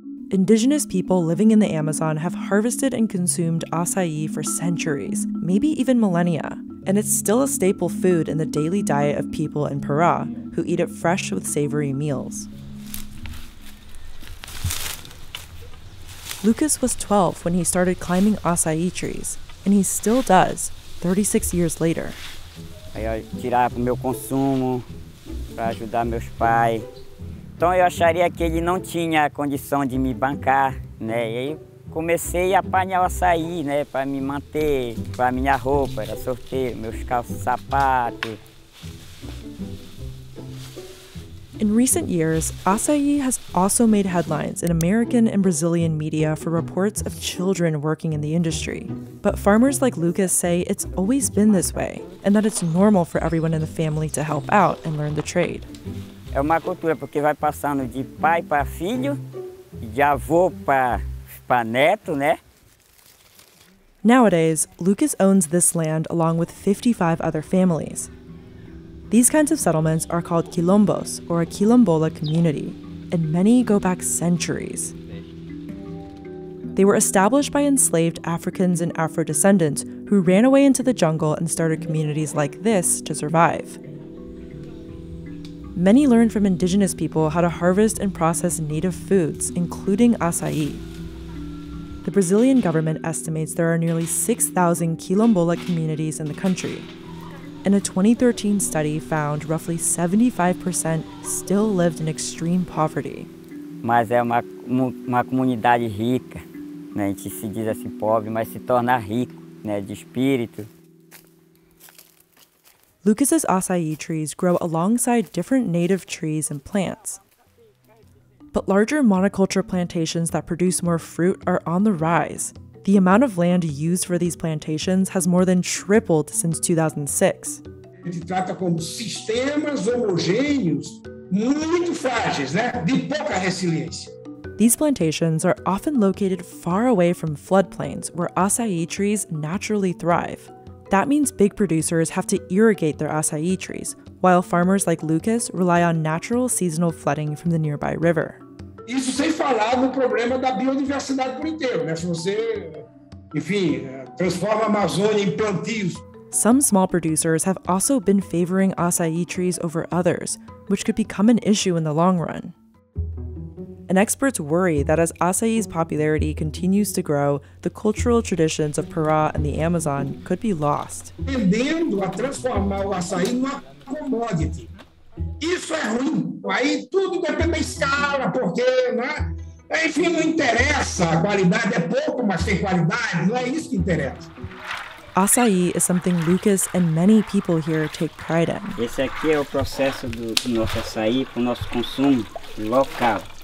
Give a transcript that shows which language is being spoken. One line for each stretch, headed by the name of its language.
English: Indigenous people living in the Amazon have harvested and consumed acai for centuries, maybe even millennia, and it's still a staple food in the daily diet of people in Pará, who eat it fresh with savory meals. Lucas was 12 when he started climbing acai trees, and he still does, 36 years later.
Portuguese: Aí eu tirava pro meu consumo, para ajudar meus pais. Então eu acharia que ele não tinha condição de me bancar, né? E aí comecei a apanhar o açaí, né? Para me manter, para minha roupa, era sorteio, meus calços, sapatos.
English: In recent years, açaí has also made headlines in American and Brazilian media for reports of children working in the industry. But farmers like Lucas say it's always been this way, and that it's normal for everyone in the family to help out and learn the trade.
Portuguese: É uma cultura porque vai passando de pai para filho, de avô para neto, né?
English: Nowadays, Lucas owns this land along with 55 other families. These kinds of settlements are called quilombos, or a quilombola community, and many go back centuries. They were established by enslaved Africans and Afro-descendants who ran away into the jungle and started communities like this to survive. Many learned from indigenous people how to harvest and process native foods, including açaí. The Brazilian government estimates there are nearly 6,000 quilombola communities in the country. And a 2013 study found roughly 75% still lived in extreme poverty.
Portuguese: Mas é uma comunidade rica, né? A gente se diz assim pobre, mas se torna rico, né? De espírito.
English: Lucas's açaí trees grow alongside different native trees and plants. But larger monoculture plantations that produce more fruit are on the rise. The amount of land used for these plantations has more than tripled since 2006.
Portuguese: A gente trata como sistemas homogêneos, muito frágeis, né? De pouca resiliência.
English: These plantations are often located far away from floodplains where açaí trees naturally thrive. That means big producers have to irrigate their açaí trees, while farmers like Lucas rely on natural seasonal flooding from the nearby river.
Portuguese: Isso sem falar no problema da biodiversidade por inteiro, né? Se você, enfim, transforma a Amazônia em plantios.
English: Some small producers have also been favoring açaí trees over others, which could become an issue in the long run. And experts worry that as açaí's popularity continues to grow, the cultural traditions of Pará and the Amazon could be lost.
Portuguese: Tendendo a transformar o açaí numa commodity. Isso é ruim. Aí tudo depende da escala, porque, né? Enfim, não interessa. A qualidade é pouco, mas tem qualidade. Não é isso que interessa.
English: Açaí is something Lucas and many people here take pride in.
Portuguese: Esse aqui é o processo do nosso açaí para o nosso consumo local.